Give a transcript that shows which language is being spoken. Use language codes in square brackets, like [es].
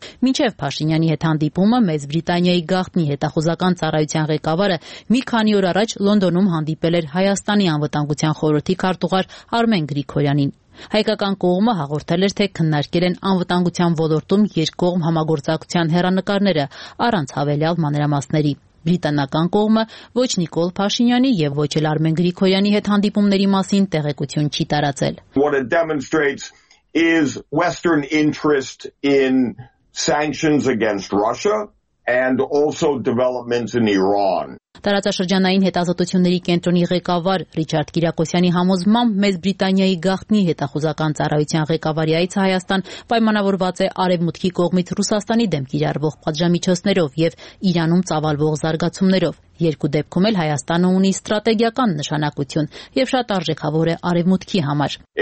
[hy] Մինչև Փաշինյանի հետ հանդիպումը Մեծ Բրիտանիայի գաղտնի հետախուզական ծառայության ղեկավարը մի քանի օր առաջ Լոնդոնում հանդիպել էր Հայաստանի անվտանգության խորհրդի քարտուղար Արմեն Գրիգորյանին։ Հայկական կողմը հաղորդել էր, թե քննարկել են անվտանգության ոլորտում երկկողմ համագործակցության հեռանկարները առանց հավելյալ մանրամասների։ Բրիտանական կողմը ոչ Նիկոլ Փաշինյանի և ոչ էլ Արմեն Գրիգորյանի հետ հանդիպումների մասին տեղեկություն չի տարածել։ [en] What it demonstrates is Western interest in sanctions against Russia and also developments in Iran. [hy] Տարածաշրջանային հետազոտությունների կենտրոնի ղեկավար Ռիչարդ Կիրակոսյանի համոզմամբ Մեծ Բրիտանիայի գաղտնի հետախուզական ծառայության ղեկավարի այցը Հայաստան պայմանավորված է արևմուտքի կողմից Ռուսաստանի դեմ կիրառվող պատժամիջոցներով և Իրանում ծավալվող զարգացումներով։ Երկու դեպքում էլ Հայաստանը ունի ստրատեգիական նշանակություն և շատ արժեքավոր է արևմուտքի համար։